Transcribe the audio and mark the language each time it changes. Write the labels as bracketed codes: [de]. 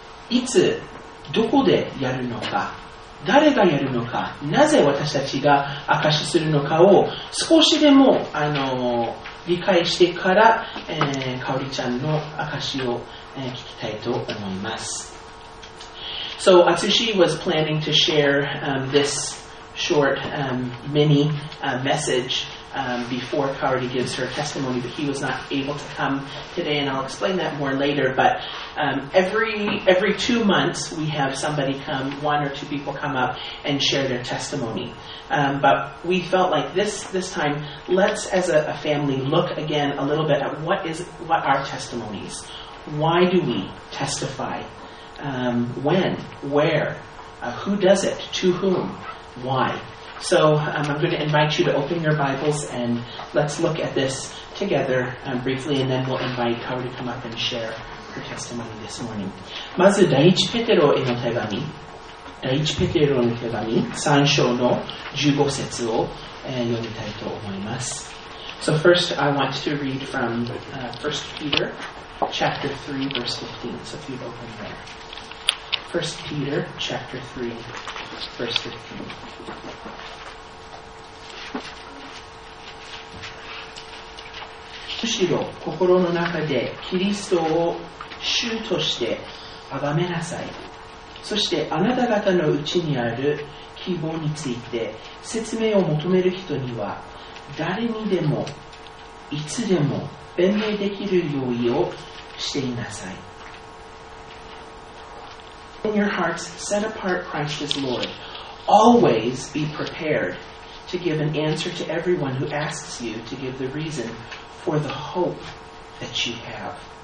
[ja] いつどこでやるのか、誰がやるのか、なぜ私たちが証しするのかを少しでも理解してから、かおりちゃんの証しを、聞きたいと思います。 [en] So Atsushi was planning to share this short mini message before Kaori gives her testimony, but he was not able to come today, and I'll explain that more later. But every 2 months we have somebody come, one or two people come up and share their testimony. But we felt like this time, let's as a family look again a little bit at what are testimonies? Why do we testify? When, where, who does it, to whom, why. So I'm going to invite you to open your Bibles and let's look at this together briefly, and then we'll invite Kaori to come up and share her testimony this morning. [ja] まず第一ペテロへの手紙、第一ペテロの手紙3章の15節を読みたいと思います。 [en] So first I want to read from 1 Peter chapter 3 verse 15. So if you'd open there. First Peter chapter 3, verse 15. [ja] むしろ心の中でキリストを主として崇めなさい。そしてあなた方のうちにある希望について説明を求める人には誰にでもいつでも弁明できる用意をしていなさい。 [en] In your hearts, set apart Christ as Lord. Always be prepared to give an answer to everyone who asks you to give the reason for the hope that you have.